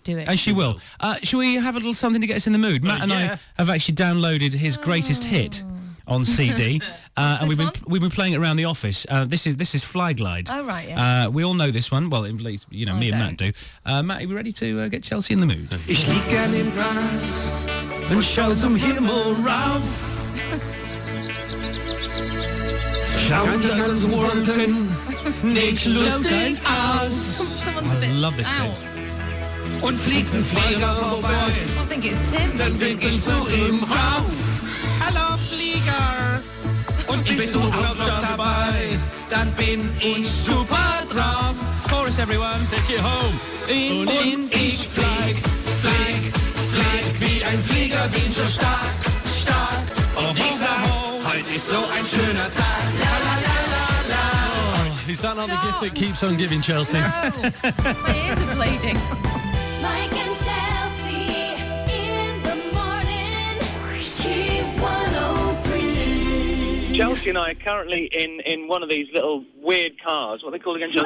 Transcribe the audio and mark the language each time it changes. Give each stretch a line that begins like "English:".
English: Do it. Shall we have a little something to get us in the mood? Matt and I have actually downloaded his greatest hit on CD. and we've been playing it around the office. This is Fly Glide. Oh, right, yeah. We all know this one. Well, at least, you know, me and Matt do. Matt, are we ready to get Chelsea in the mood?
German: Ich liege an dem Gras und schau zum Himmel rauf. Schau in deinen Wolken, nicht lustig aus.
English: I love this bit.
German: Und fliegt ein Flieger vorbei.
English: I think it's Tim.
German: Dann wink ich zu ihm rauf. Hallo, Flieger. Und bist du auch noch dabei? Dann bin ich super drauf.
English: Chorus, everyone. Take it home.
German: Und ich flieg wie ein Flieger, bin so stark. Und ich sag, heute ist so ein schöner Tag.
English: Is that not the gift that keeps on giving, Chelsea? No. My ears are bleeding. Mike and Chelsea in the morning. Key 103. Chelsea and I are currently in one of these little weird cars. What are they called again, Chelsea?